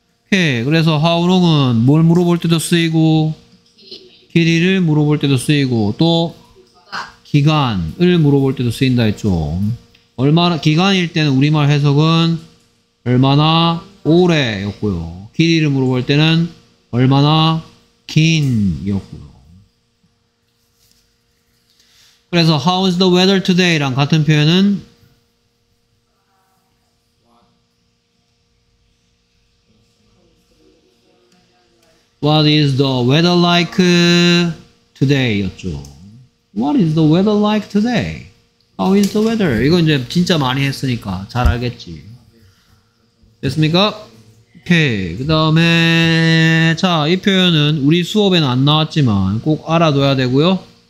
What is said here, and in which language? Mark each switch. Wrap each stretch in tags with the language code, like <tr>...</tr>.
<ko>그래서 how long은 뭘 물어볼 때도 쓰이고 길이를 물어볼 때도 쓰이고 또 기간을 물어볼 때도 쓰인다 했죠. 얼마나 기간일 때는 우리말 해석은 얼마나 오래였고요. 길이를 물어볼 때는 얼마나 긴이었고요. 그래서</ko> <en>how is the weather today랑</en> <ko>같은 표현은</ko> <en>What is the weather like today?</en> <ko>였죠.</ko> <en>What is the weather like today? How is the weather?</en> <ko>이건 이제 진짜 많이 했으니까 잘 알겠지. 됐습니까? 오케이. 그 다음에 자, 이 표현은 우리 수업에는 안 나왔지만 꼭 알아둬야 되고요.</ko>